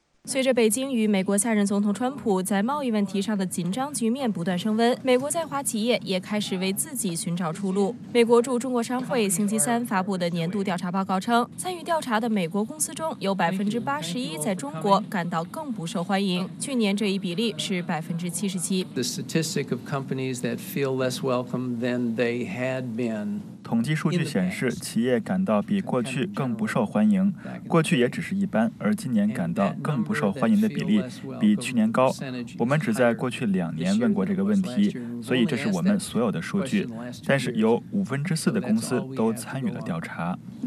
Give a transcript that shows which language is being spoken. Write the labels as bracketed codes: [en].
[zh] 随着北京与美国下任总统川普在贸易问题上的紧张局面不断升温，美国在华企业也开始为自己寻找出路。美国驻中国商会星期三发布的年度调查报告称，参与调查的美国公司中有81%在中国感到更不受欢迎，去年这一比例是77%。 [en] The statistic of companies that feel less welcome than they had been。 [zh] 统计数据显示，企业感到比过去更不受欢迎，过去也只是一般，而今年感到更不受欢迎的比例比去年高。我们只在过去2年问过这个问题，所以这是我们所有的数据，但是有4%的公司都参与了调查。